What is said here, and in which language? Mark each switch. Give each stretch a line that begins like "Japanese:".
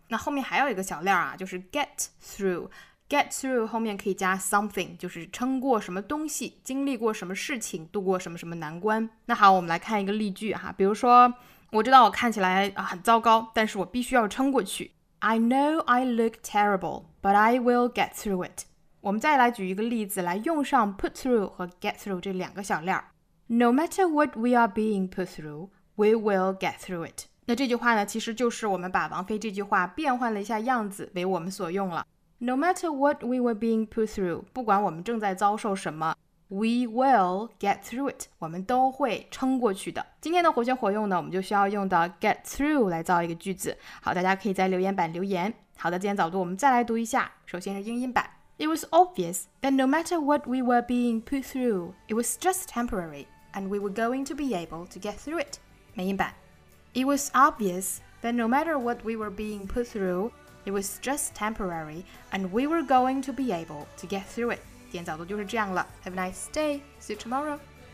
Chinese: 那后面还有一个小链啊，就是 get through。get through 后面可以加 something， 就是撑过什么东西，经历过什么事情，度过什么什么难关。那好，我们来看一个例句哈，比如说我知道我看起来很糟糕，但是我必须要撑过去。
English: I know I look terrible, but I will get through it.
Chinese: 我们再来举一个例子，来用上 put through 和 get through 这两个小链。
English: No matter what we are being put through, we will get through it.
Chinese: 那这句话呢，其实就是我们把王菲这句话变换了一下样子为我们所用了。
English: No matter what we were being put through,
Chinese: 不管我们正在遭受什么，
English: we will get through it.
Chinese: 我们都会撑过去的。今天的活学活用呢，我们就需要用到 get through 来造一个句子。好，大家可以在留言板留言。好的，今天早读我们再来读一下，首先是英音版。
English: It was obvious that no matter what we were being put through, it was just temporary, and we were going to be able to get through it.
Chinese: 明白。
English: It was obvious that no matter what we were being put through, it was just temporary, and we were going to be able to get through it.
Chinese: 今天早读就是这样了。
English: Have a nice day. See you tomorrow.